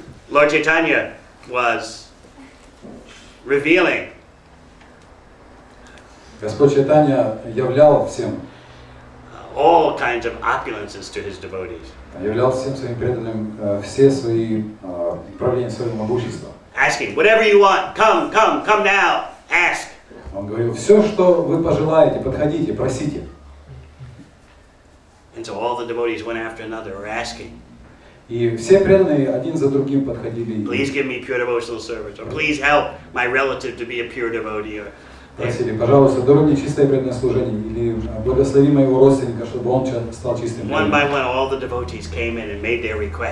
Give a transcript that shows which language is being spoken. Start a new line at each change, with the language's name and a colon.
English: Lord Chaitanya was revealing.
Russian: Господь Чайтанья являл всем
English: all kinds of opulences to his devotees.
Russian: Являл всем своим преданным все свои проявления своего могущества.
English: Asking, whatever you want, come, come, come now, ask.
Russian: Он говорил, все, что вы пожелаете, подходите, просите.
English: And so all the devotees one after another were asking.
Russian: И все преданные один за другим подходили.
English: Please give me pure devotional service, or please help my relative to be a pure devotee. Or...
Russian: Просили, пожалуйста, даруй мне чистое преданное служение или благослови моего родственника, чтобы он стал чистым преданным.